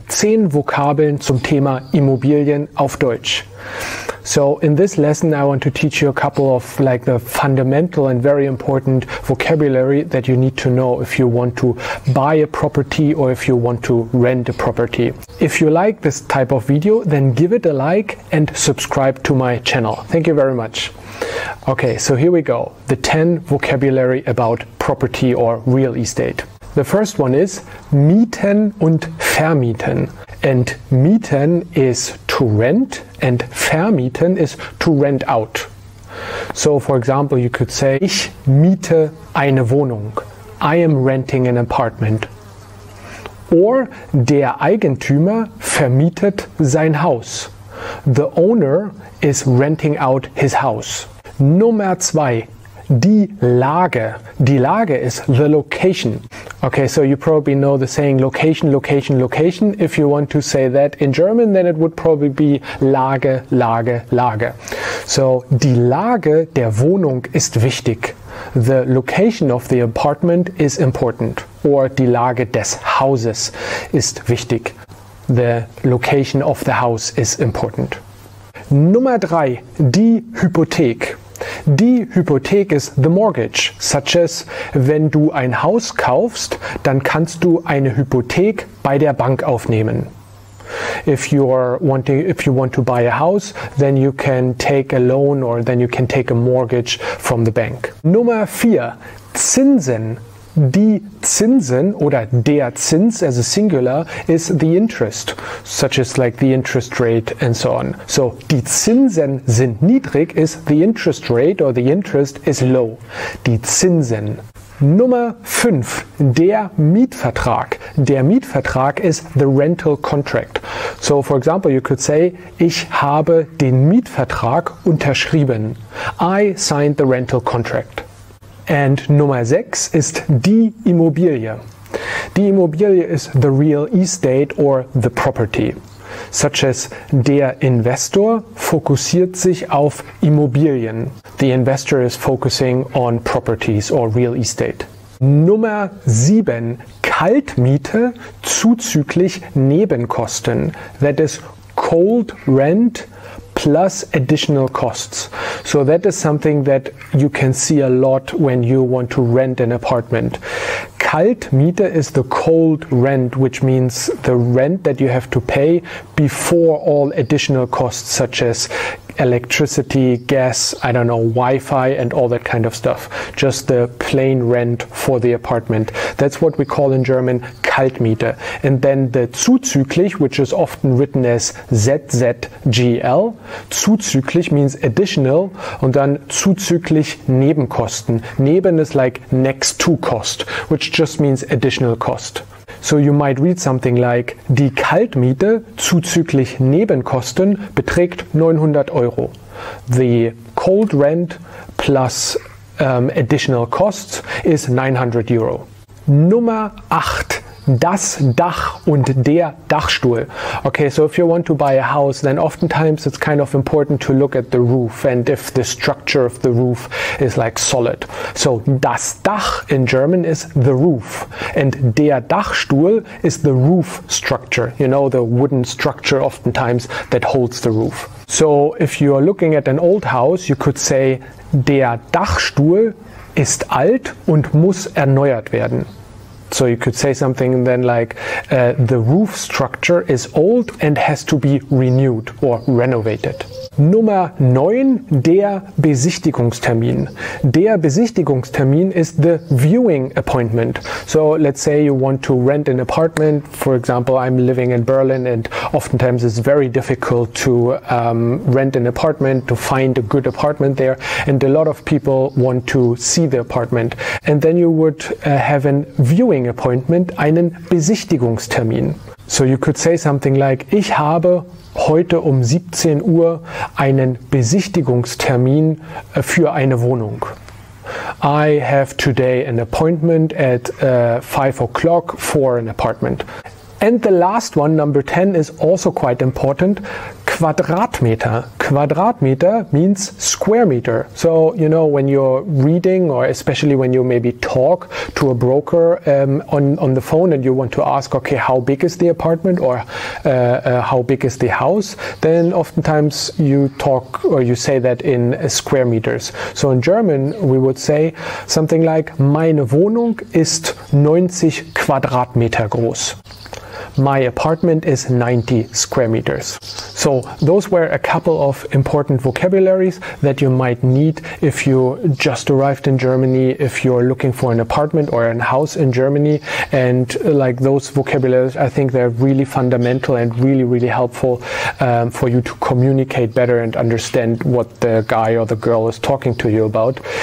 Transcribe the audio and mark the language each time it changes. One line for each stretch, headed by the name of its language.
German: 10 Vokabeln zum Thema Immobilien auf Deutsch.
English: So in this lesson, I want to teach you a couple of like the fundamental and very important vocabulary that you need to know if you want to buy a property or if you want to rent a property. If you like this type of video, then give it a like and subscribe to my channel. Thank you very much. Okay, so here we go. The 10 vocabulary about property or real estate. The first one is
German: mieten und vermieten.
English: And mieten is to rent and vermieten is to rent out. So for example, you could say,
German: ich miete eine Wohnung.
English: I am renting an apartment.
German: Or der Eigentümer vermietet sein Haus.
English: The owner is renting out his house.
German: Nummer zwei, die Lage. Die Lage
English: is the location. Okay, so you probably know the saying location, location, location. If you want to say that in German, then it would probably be Lage, Lage, Lage.
German: So, die Lage der Wohnung ist wichtig.
English: The location of the apartment is important.
German: Or die Lage des Hauses ist wichtig.
English: The location of the house is important.
German: Nummer drei, die Hypothek. Die Hypothek
English: is the mortgage, such as
German: wenn du ein Haus kaufst, dann kannst du eine Hypothek bei der Bank aufnehmen.
English: If you want to buy a house, then you can take a loan or then you can take a mortgage from the bank.
German: Nummer vier, Zinsen. Die Zinsen oder der Zins
English: as a singular is the interest, such as like the interest rate and so on. So,
German: die Zinsen sind niedrig
English: is the interest rate or the interest is low. Die Zinsen.
German: Nummer 5. Der Mietvertrag. Der Mietvertrag
English: is the rental contract. So, for example, you could say,
German: ich habe den Mietvertrag unterschrieben.
English: I signed the rental contract.
German: And Nummer 6 ist die Immobilie.
English: Die Immobilie is the real estate or the property. Such as
German: der Investor fokussiert sich auf Immobilien.
English: The investor is focusing on properties or real estate.
German: Nummer 7, Kaltmiete zuzüglich Nebenkosten.
English: That is cold rent plus additional costs. So that is something that you can see a lot when you want to rent an apartment. Kaltmiete is the cold rent, which means the rent that you have to pay before all additional costs such as electricity, gas, I don't know, Wi-Fi and all that kind of stuff. Just the plain rent for the apartment. That's what we call in German Kaltmiete. And then the zuzüglich, which is often written as ZZGL. Zuzüglich means additional.
German: Und dann zuzüglich Nebenkosten.
English: Neben is like next to cost, which just means additional cost. So you might read something like,
German: die Kaltmiete zuzüglich Nebenkosten beträgt 900 Euro.
English: The cold rent plus additional costs is 900 Euro.
German: Nummer 8. Das Dach und der Dachstuhl.
English: Okay, so if you want to buy a house, then oftentimes it's kind of important to look at the roof and if the structure of the roof is like solid. So, das Dach in German is the roof. And der Dachstuhl is the roof structure. You know, the wooden structure oftentimes that holds the roof. So, if you are looking at an old house, you could say,
German: der Dachstuhl ist alt und muss erneuert werden.
English: So you could say something then like the roof structure is old and has to be renewed or renovated.
German: Nummer 9, der Besichtigungstermin.
English: Der Besichtigungstermin is the viewing appointment. So let's say you want to rent an apartment. For example, I'm living in Berlin and oftentimes it's very difficult to rent an apartment, to find a good apartment there. And a lot of people want to see the apartment. And then you would have a viewing appointment, einen Besichtigungstermin. So you could say something like,
German: ich habe heute um 17 Uhr einen Besichtigungstermin für eine Wohnung.
English: I have today an appointment at 5 o'clock for an apartment. And the last one, number 10, is also quite important. Quadratmeter. Quadratmeter means square meter. So, you know, when you're reading, or especially when you maybe talk to a broker on the phone and you want to ask, okay, how big is the apartment, or how big is the house, then oftentimes you talk or you say that in square meters. So in German, we would say something like,
German: meine Wohnung ist 90 Quadratmeter groß.
English: My apartment is 90 square meters. So those were a couple of important vocabularies that you might need if you just arrived in Germany, if you're looking for an apartment or a house in Germany. And like those vocabularies, I think they're really fundamental and really, really helpful for you to communicate better and understand what the guy or the girl is talking to you about.